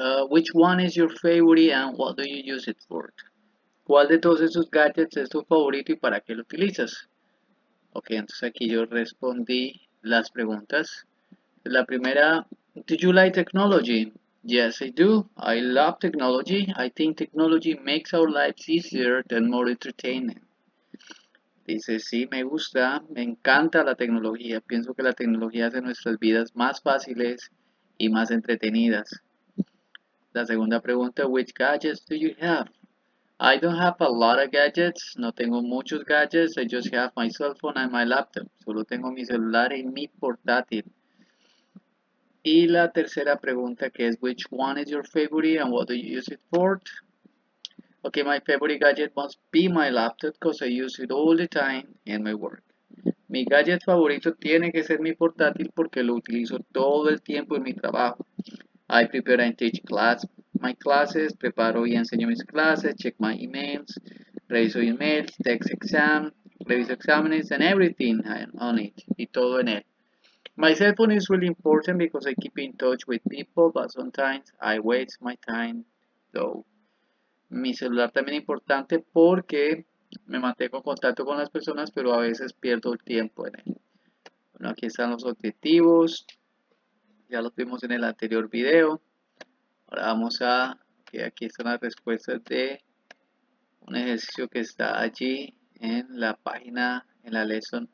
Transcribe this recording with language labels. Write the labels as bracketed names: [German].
[English] Which one is your favorite and what do you use it for? [Spanish] ¿Cuál de todos esos gadgets es tu favorito y para qué lo utilizas? Ok, entonces aquí yo respondí las preguntas. La primera, [English] do you like technology? Yes, I do. I love technology. I think technology makes our lives easier and more entertaining. [Spanish] Dice, sí, me gusta, me encanta la tecnología. Pienso que la tecnología hace nuestras vidas más fáciles y más entretenidas. La segunda pregunta, [English] which gadgets do you have? I don't have a lot of gadgets. [Spanish] No tengo muchos gadgets. [English] I just have my cell phone and my laptop. [Spanish] Solo tengo mi celular y mi portátil. Y la tercera pregunta, que es, [English] which one is your favorite and what do you use it for? Okay, my favorite gadget must be my laptop because I use it all the time in my work. [Spanish] Mi gadget favorito tiene que ser mi portátil porque lo utilizo todo el tiempo en mi trabajo. [English] I prepare and teach class, my classes, [Spanish] preparo y enseño mis clases, [English] check my emails, [Spanish] reviso emails, reviso exámenes [English] and everything on it, [Spanish] y todo en él. [English] My cell phone is really important because I keep in touch with people, but sometimes I waste my time though. [Spanish] Mi celular también es importante porque me mantengo en contacto con las personas, pero a veces pierdo el tiempo en él. Bueno, aquí están los objetivos. Ya los vimos en el anterior video. Ahora vamos a que aquí están las respuestas de un ejercicio que está allí en la página, en la lesson.